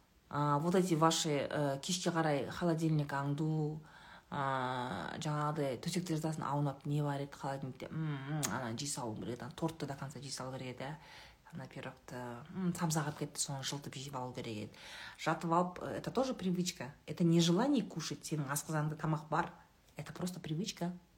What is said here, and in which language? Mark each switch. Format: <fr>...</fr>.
<ru>Вот эти ваши</ru> <kk>кешке қарай холодильник аңду, жаңағыдай төсек терезесін аунап не бар еді холодильникте? Ана жей салуым керек еді, тортты да қанша жей салу керек еді. Ана пирогты, самса қалып кетті, соны жылтып жеп алу керек еді. Жатып алып,</kk> <ru>это тоже привычка. Это не желание кушать,</ru> <kk>сенің асқазанында тамақ бар.</kk> <ru>Это просто привычка.</ru>